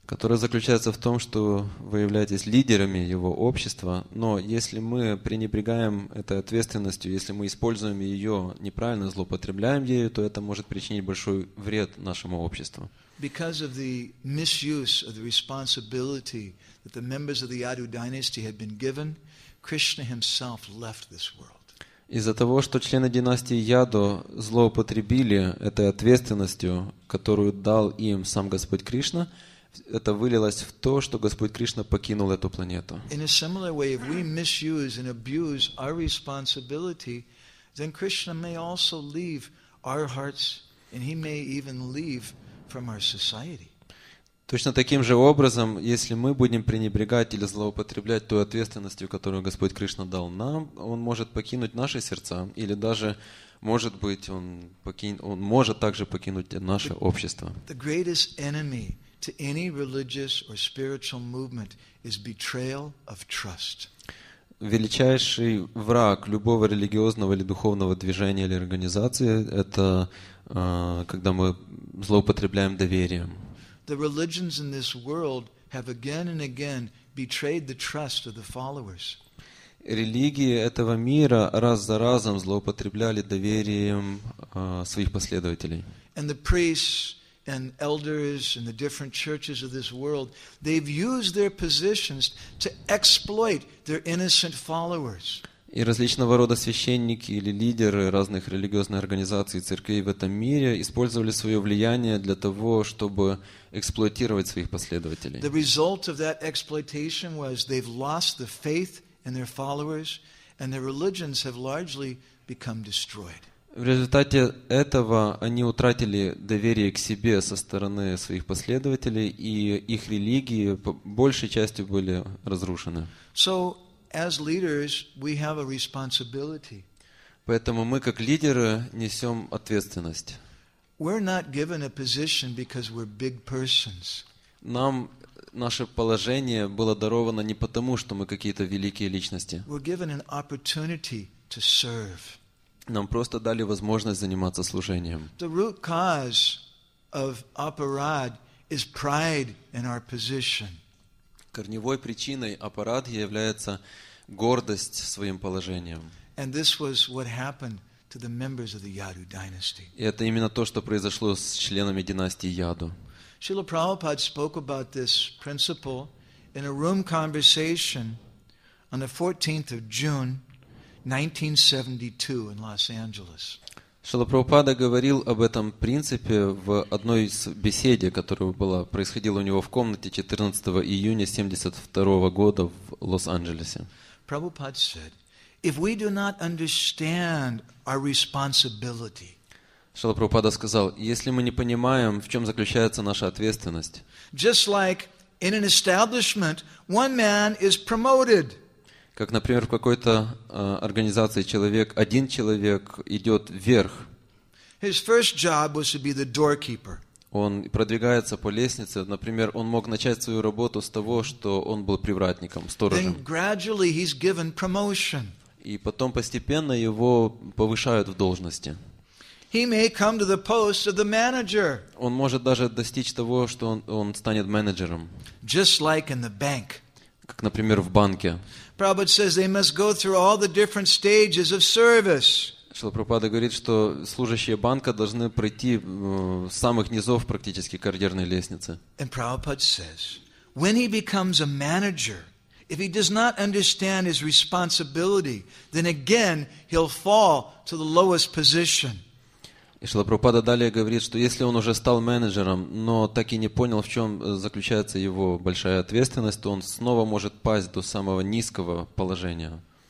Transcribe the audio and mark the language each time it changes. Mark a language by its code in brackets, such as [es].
[ru] Которая заключается в том, что вы являетесь лидерами его общества, но если мы пренебрегаем этой ответственностью, если мы используем ее неправильно, злоупотребляем ею, то это может причинить большой вред нашему обществу. [en] Because of the misuse of the responsibility that the members of the Yadu dynasty had been given, Krishna himself left this world. [ru] Из-за того, что члены династии Яду злоупотребили этой ответственностью, которую дал им сам Господь Кришна, это вылилось в то, что Господь Кришна покинул эту планету. [en] In a similar way, if we misuse and abuse our responsibility, then Krishna may also leave our hearts, and he may even leave from our society. [ru] Точно таким же образом, если мы будем пренебрегать или злоупотреблять той ответственностью, которую Господь Кришна дал нам, Он может покинуть наши сердца, или даже, может быть, Он может также покинуть наше общество. [en] The greatest enemy to any religious or spiritual movement is betrayal of trust. [ru] Величайший враг любого религиозного или духовного движения или организации — это когда мы злоупотребляем доверием. [en] The religions in this world have again and again betrayed the trust of the followers. [ru] Религии этого мира раз за разом злоупотребляли доверием своих последователей. [en] And the priests and elders in the different churches of this world, they've used their positions to exploit their innocent followers. [ru] И различного рода священники или лидеры разных религиозных организаций и церквей в этом мире использовали свое влияние для того, чтобы эксплуатировать своих последователей. [en] The result of that exploitation was they've lost the faith in their followers, and their religions have largely become destroyed. [ru] В результате этого они утратили доверие к себе со стороны своих последователей, и их религии по большей части были разрушены. [en] So, as leaders, we have a responsibility. [ru] Поэтому мы, как лидеры, несем ответственность. [en] We're not given a position because we're big persons. [ru] Нам наше положение было даровано не потому, что мы какие-то великие личности. [en] We're given an opportunity to serve. [ru] Нам просто дали возможность заниматься служением. [en] The root cause of aparad is pride in our position. [ru] Корневой причиной апарадхи является гордость своим положением. [en] And this was what happened to the members of the Yadu dynasty. [ru] И это именно то, что произошло с членами династии Яду. [en] Srila Prabhupada spoke about this principle in a room conversation on the 14th of June, 1972 in Los Angeles. [ru] Шрила Прабхупада говорил об этом принципе в одной из бесед, которая была, происходила у него в комнате 14 июня 1972 года в Лос-Анджелесе. [en] Prabhupada said, if we do not understand our responsibility, [ru] Шрила Прабхупада сказал, если мы не понимаем, в чем заключается наша ответственность, [en] just like in an establishment, one man is promoted. [ru] Как, например, в какой-то организации человек, один человек идет вверх. [en] His first job was to be the doorkeeper. [ru] Он продвигается по лестнице. Например, он мог начать свою работу с того, что он был привратником, сторожем. [en] Then gradually he's given promotion. [ru] И потом постепенно его повышают в должности. [en] He may come to the post of the manager. [ru] Он может даже достичь того, что он станет менеджером. [en] Just like in the bank. [ru] Как, например, в банке. [en] Prabhupada says they must go through all the different stages of service. [ru] Шрила Прабхупада говорит, что служащие банка должны пройти с самых низов практически карьерной лестницы. [en] And Prabhupada says, when he becomes a manager, if he does not understand his responsibility, then again he'll fall to the lowest position. [ru] И Шрила Прабхупада далее говорит, что если он уже стал менеджером, но так и не понял, в чем заключается его большая ответственность, то он снова может пасть до самого низкого положения.